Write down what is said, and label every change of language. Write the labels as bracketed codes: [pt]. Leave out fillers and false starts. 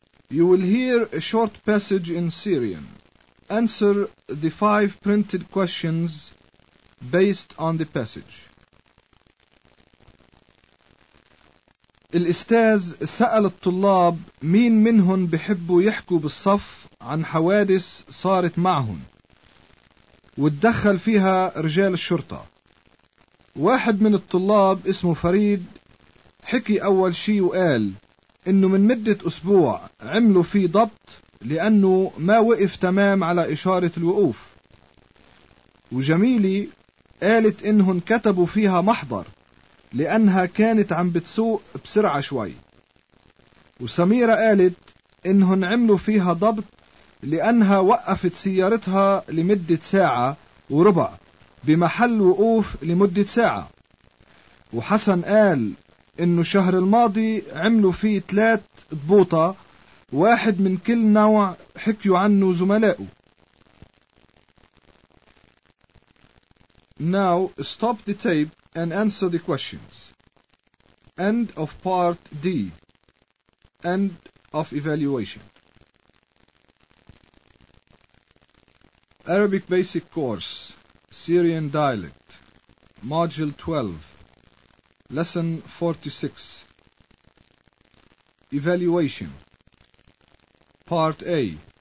[en] You will hear a short passage in Syrian. Answer the 5 printed questions based on the passage. [ar] الأستاذ سأل الطلاب مين منهم بحبوا يحكوا بالصف عن حوادث صارت معهم وتدخل فيها رجال الشرطة. واحد من الطلاب اسمه فريد حكي أول شيء وقال إنه من مدة أسبوع عملوا فيه ضبط لأنه ما وقف تمام على إشارة الوقوف. وجميلي قالت إنهم كتبوا فيها محضر لأنها كانت عم بتسوق بسرعة شوي. وسميرة قالت إنهن عملوا فيها ضبط لأنها وقفت سيارتها لمدة ساعة وربع بمحل وقوف لمدة ساعة. وحسن قال إنه الشهر الماضي عملوا فيه 3 ضبوطة، واحد من كل نوع حكيوا عنه زملائه. [en] Now stop the tape and answer the questions. End of part D. End of evaluation. Arabic Basic Course, Syrian Dialect, Module 12, Lesson 46. Evaluation. Part A.